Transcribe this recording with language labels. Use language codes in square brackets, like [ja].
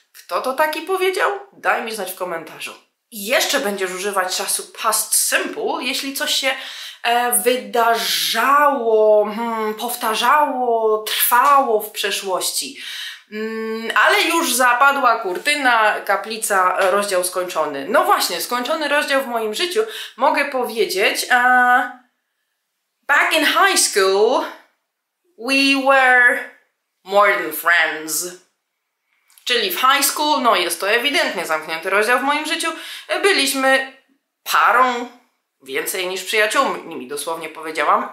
[pl] Kto to taki powiedział? Daj mi znać w komentarzu. I jeszcze będziesz używać czasu past simple, jeśli coś się wydarzało, powtarzało, trwało w przeszłości. Ale już zapadła kurtyna, kaplica, rozdział skończony. No właśnie, skończony rozdział w moim życiu. Mogę powiedzieć, [en] back in high school, we were more than friends. [pl] Czyli w high school, no jest to ewidentnie zamknięty rozdział w moim życiu, byliśmy parą, więcej niż przyjaciółmi, dosłownie powiedziałam.